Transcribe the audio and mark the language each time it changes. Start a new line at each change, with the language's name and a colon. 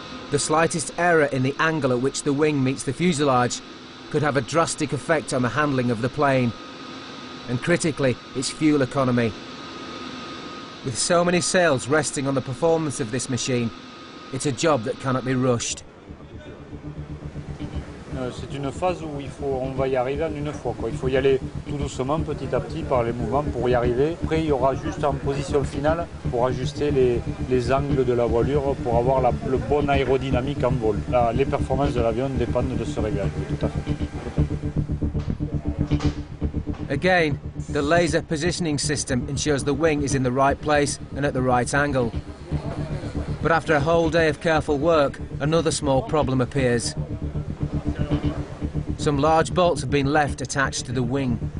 English: The slightest error in the angle at which the wing meets the fuselage could have a drastic effect on the handling of the plane, and critically, its fuel economy. With so many sails resting on the performance of this machine, it's a job that cannot be rushed.
French: C'est une phase où il faut, on va y arriver en une fois. Quoi. Il faut y aller tout doucement, petit à petit, par les mouvements pour y arriver. Après, il y aura juste en position finale pour ajuster les angles de la voilure pour avoir le bon aérodynamique en vol. Les performances de l'avion dépendent de ce réglage, tout à fait.
English: Again, the laser positioning system ensures the wing is in the right place and at the right angle. But after a whole day of careful work, another small problem appears. Some large bolts have been left attached to the wing.